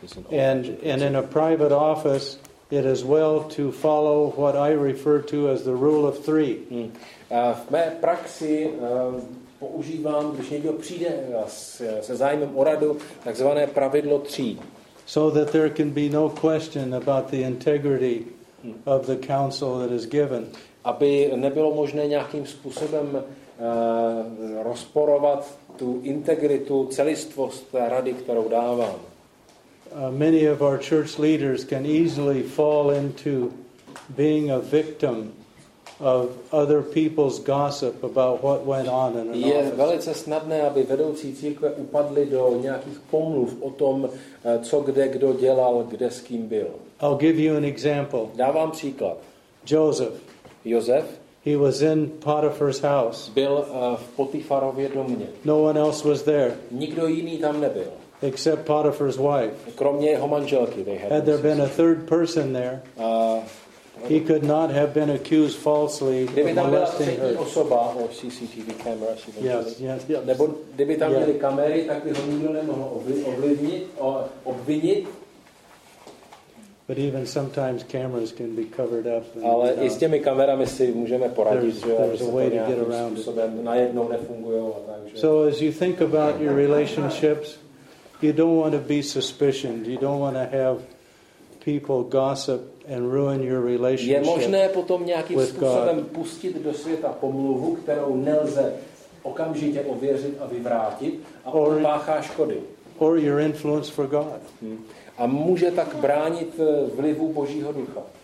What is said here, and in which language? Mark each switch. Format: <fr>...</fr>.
<en>And in a private office it is well to follow what I refer to as the rule of three.</en> <cs>V mé praxi používám, když někdo přijde se zájmem o radu, takzvané pravidlo tří.</cs> <en>So that there can be no question about the integrity of the counsel that is given.</en> <cs>Aby nebylo možné nějakým způsobem rozporovat tu integritu, celistvost rady, kterou dávám.</cs> <en>Many of our church leaders can easily fall into being a victim of other people's gossip about what went on in an office.</en> <cs>Je velice snadné, aby vedoucí církve upadli do nějakých pomluv o tom, co kde kdo dělal, kde s kým byl.</cs> <en>I'll give you an example.</en> <cs>Dávám příklad.</cs> <en>Joseph.</en> <cs>Joseph.</cs> <en>He was in Potiphar's house.</en> <cs>Byl v Potifarově domě.</cs> <en>No one else was there.</en> <cs>Nikdo jiný tam nebyl.</cs> <en>Except Potiphar's wife.</en> <cs>Kromě jeho manželky,</cs> <en>they had. Had there been a third person there, he could not have been accused falsely of molesting her.</en> <cs>Kdyby tam byla třetí osoba, CCTV kamera,</cs> <en>yes.</en> <cs>Nebo kdyby tam byly kamery, tak by ho nikdo nemohl obvinit.</cs> <en>But even sometimes cameras can be covered up.</en> <cs>Ale i s těmi kamerami si můžeme poradit, že</cs> <en>there's a way to get around.</en> <cs>Najednou nefungují, takže.</cs> <en>So as you think about your relationships, you don't want to be suspicioned. You don't want to have people gossip and ruin your relationship.</en> <cs>Je možné potom nějakým způsobem pustit do světa pomluvu, kterou nelze okamžitě ověřit a vyvrátit a páchá škody.</cs> <en>Or your influence for God.</en> <cs>A může tak bránit vlivu Božího ducha.</cs>